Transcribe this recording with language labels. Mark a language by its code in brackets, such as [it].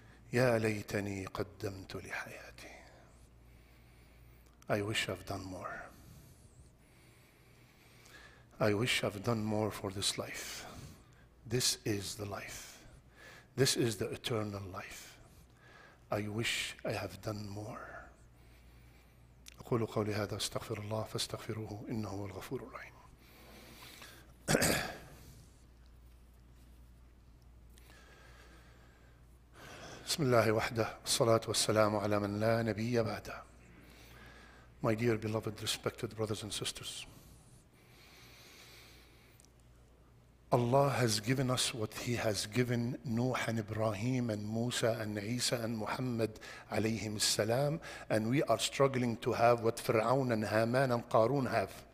[ar] Ya laytani qaddamtu li hayati. [en] I wish I've done more. I wish I've done more for this life. This is the life. This is the eternal life. I wish I have done more. [ar] أقول قولي هذا استغفر الله فاستغفروه إنه هو الغفور الرحيم. بسم الله وحده الصلاة والسلام على من لا نبي بعده. [en] My dear beloved respected brothers and sisters, Allah has given us what He has given Nuh and Ibrahim and Musa and Isa and Muhammad alayhim salam, and we are struggling to have what Fir'aun and Haman and Qarun have.